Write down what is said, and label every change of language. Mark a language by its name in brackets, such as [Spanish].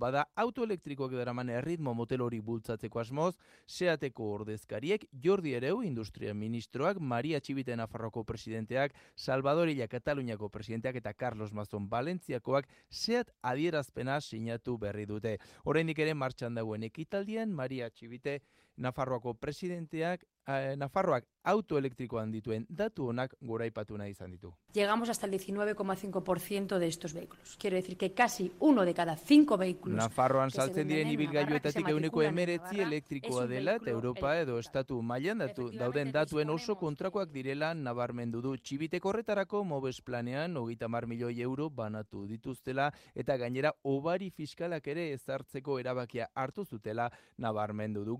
[Basque] Bada auto elektrikoak daraman erritmo motel hori bultzatzeko asmoz, Seateko ordezkariek Jordi Hereu industria ministroak, Maria Txibite Nafarroako presidenteak, Salvador Illa Kataluniako presidenteak eta Carlos Mazón Valentziakoak adierazpena sinatu berri dute. Oraindik ere martxan dagoen ekitaldian Maria Txibite Nafarroako presidenteak Nafarroak autoelektrikoan dituen datu honak goraipatu nahi izan ditu. [Spanish] Llegamos hasta el 19,5% de estos vehículos. Quiero decir que casi uno de cada cinco vehículos. [Basque] Nafarroan saltzen diren ibilgailuetatik 19% elektrikoa dela eta Europa edo estatu mailan dauden datuen oso kontrakoak direla nabarmendu du. Txibitek horretarako Moves planean 30 milioi euro banatu dituztela eta gainera obari fiskalak ere ezartzeko erabakia hartu zutela nabarmendu du.